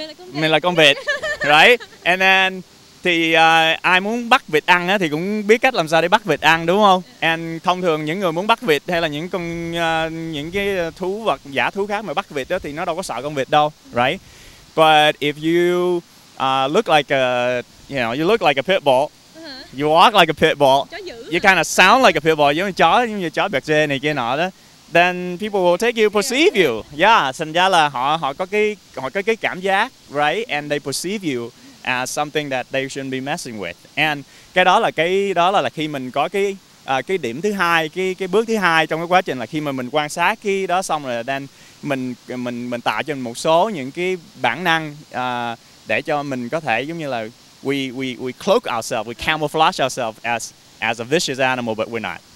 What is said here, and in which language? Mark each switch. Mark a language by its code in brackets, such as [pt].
[vi] Mình là con vịt. [en] Right? [vi] And then thì ai muốn bắt vịt ăn á thì cũng biết cách làm sao để bắt vịt ăn, đúng không? And thông thường những người muốn bắt vịt hay là những con những cái thú vật giả thú khác mà bắt vịt đó thì nó đâu có sợ con vịt đâu, right? [en] But if you look like a, you know, you look like a pit bull. You walk like a pit bull. You kind of sound like a pit bull, [vi] giống như chó bẹt dê này kia nọ đó. [en] Then people will take you, perceive you. Yeah, [vi] thành ra là họ có cái cảm giác, [en] right? And they perceive you as something that they shouldn't be messing with. [vi] And cái đó là khi mình có cái điểm thứ hai, cái bước thứ hai trong cái quá trình là khi mà mình quan sát cái đó xong rồi, then mình tạo cho mình một số những cái bản năng để cho mình có thể giống như là [en] we cloak ourselves, we camouflage ourselves as a vicious animal, but we're not.